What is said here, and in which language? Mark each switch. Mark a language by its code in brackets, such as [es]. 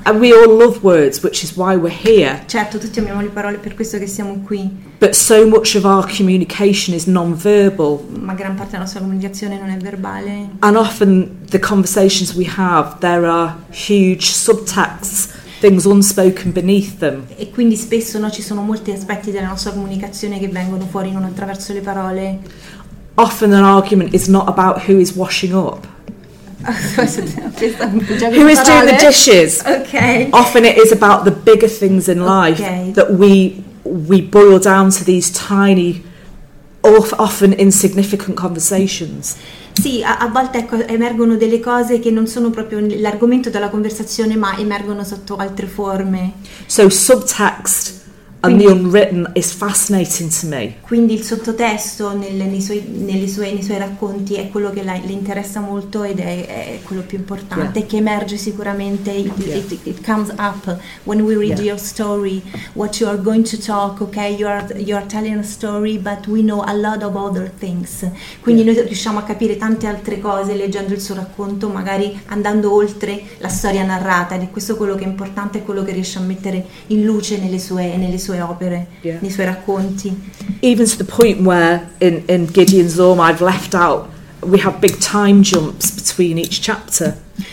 [en] And we all love words, which is why we're here. [it] Certo, tutti amiamo le parole, per questo che siamo qui. [en] But so much of our communication is non-verbal. [it] Ma gran parte della nostra comunicazione non è verbale. [en] And often the conversations we have, there are huge subtexts, things unspoken beneath them. [it] E quindi spesso, no, ci sono molti aspetti della nostra comunicazione che vengono fuori non attraverso le parole. [en] Often an argument is not about who is washing up. Who is doing the dishes? Okay. Often it is about the bigger things in life, okay, that we boil down to these tiny, often insignificant conversations. [it] Sì, a volte emergono delle cose che non sono proprio l'argomento della conversazione, ma emergono sotto altre forme. [en] So subtext. And the unwritten is fascinating to me. [it] Quindi il sottotesto nei suoi racconti è quello che le interessa molto ed è quello più importante, che emerge sicuramente. [en] It comes up when we read your story, what you are going to talk. Okay, you are telling a story, but we know a lot of other things. [it] Quindi noi riusciamo a capire tante altre cose leggendo il suo racconto, magari andando oltre la storia narrata. Ed è questo quello che è importante, è quello che riesce a mettere in luce nelle sue opere, nei suoi racconti. [en] Even to the point where in Gideon's Orm I've left out, we have big time jumps between each chapter.